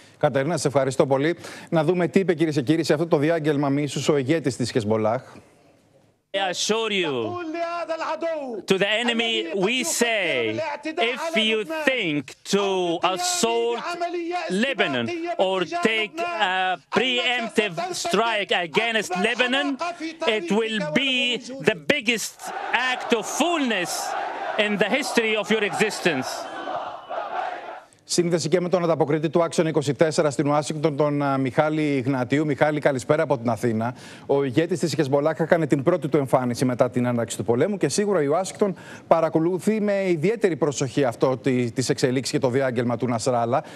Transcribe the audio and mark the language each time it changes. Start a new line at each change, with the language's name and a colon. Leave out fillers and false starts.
Greek: Κατερίνα, σε ευχαριστώ πολύ. Να δούμε τι είπε, κυρίες και κύριοι, σε αυτό το διάγγελμα μίσους ο ηγέτης της Χεζμπολάχ.
English: I assure you, to the enemy, we say, if you think to assault Lebanon or take a preemptive strike against Lebanon, it will be the biggest act of foolishness in the history of your existence.
Greek: Σύνδεση και με τον ανταποκριτή του Action 24 στην Ουάσιγκτον, τον Μιχάλη Ιγνατίου. Μιχάλη, καλησπέρα από την Αθήνα. Ο ηγέτης της Χεζμπολάχ έκανε την πρώτη του εμφάνιση μετά την έναρξη του πολέμου και σίγουρα η Ουάσιγκτον παρακολουθεί με ιδιαίτερη προσοχή αυτό τις εξελίξεις και το διάγγελμα του Ναζράλα.